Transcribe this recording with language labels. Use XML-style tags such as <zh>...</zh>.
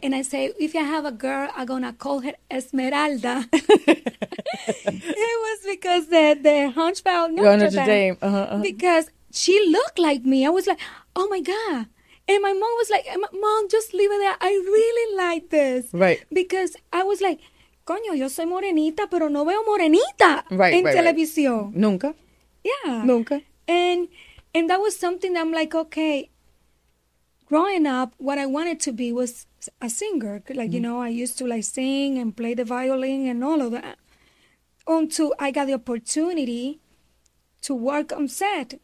<en>And I say, if I have a girl, I'm going to call her Esmeralda. It was because the Hunchback Notre Dame. Because she looked like me. I was like, oh my God. And my mom was like, Mom, just leave it there. I really like this. Right. Because I was like,</en> <es>coño, yo soy morenita, pero no veo morenita en televisión.</es> <en>Right.</en> <es>Nunca.</es> <en>Yeah.</en> <es>Nunca.</es> <en>And that was something that I'm like, okay, growing up, what I wanted to be was a singer. Like, mm-hmm. you know, I used to like sing and play the violin and all of that. Until I got the opportunity to work on set.</en>